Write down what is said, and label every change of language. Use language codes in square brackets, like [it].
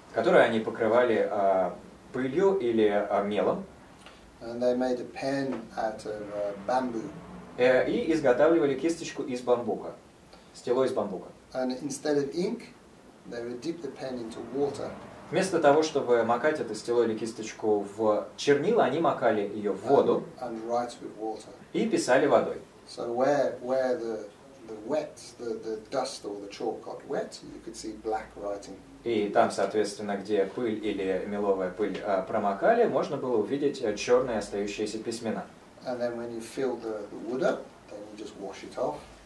[ru] Которую они покрывали пылью или мелом. [en] And they made a pen out of bamboo. [ru] И изготавливали кисточку из бамбука. Стело из бамбука. [en] And instead of ink, they would dip the pen into water. [ru] Вместо того, чтобы макать это стело или кисточку в чернила, они макали ее в воду. [en] And write with water. [ru] И писали водой. [en] So where the wet, the dust or the chalk got wet, you could see black writing. [ru] И там, соответственно, где пыль или меловая пыль промокали, можно было увидеть черные остающиеся письмена. [en] And then when you fill the wood up, then you just wash it off.